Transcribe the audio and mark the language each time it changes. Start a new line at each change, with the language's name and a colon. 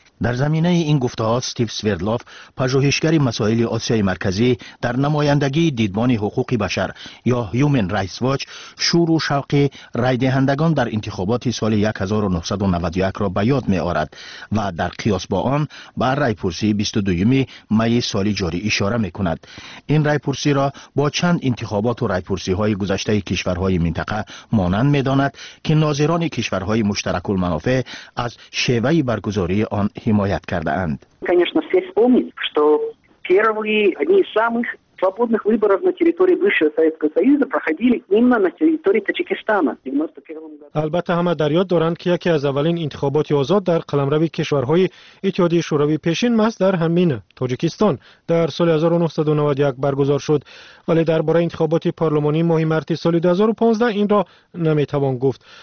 Persian: در زمینه این گفته‌ها استیو سویردلوف، پژوهشگر مسائل آسیای مرکزی در نمایندگی دیدبان حقوق بشر یا هیومن رایتس واچ، شور و شوق رای دهندگان در انتخابات سال 1991 را به یاد می‌آورد و در قیاس با آن به رایپرسی 22 می سال جاری اشاره می‌کند. این رایپرسی را با چند انتخابات و رایپرسی‌های گذشته کشورهای منطقه مانند می‌داند که ناظران کشورهای مشترک المنافع از شیوه برگزاری آن حمایت کرده اند.
Russian: Конечно, все вспомнят, что первые одни из самых свободных выборов на территории бывшего Советского Союза проходили именно на территории Таджикистана.
Persian: البته همه در یاد دارند که یکی از اولین انتخابات آزاد در قلمرو کشورهای اتحادیه شوروی پیشین ماست در همین تاجیکستان در سال 1991 برگزار شد، ولی درباره انتخابات پارلمانی ماه مارس سال 2015 این را نمیتوان گفت.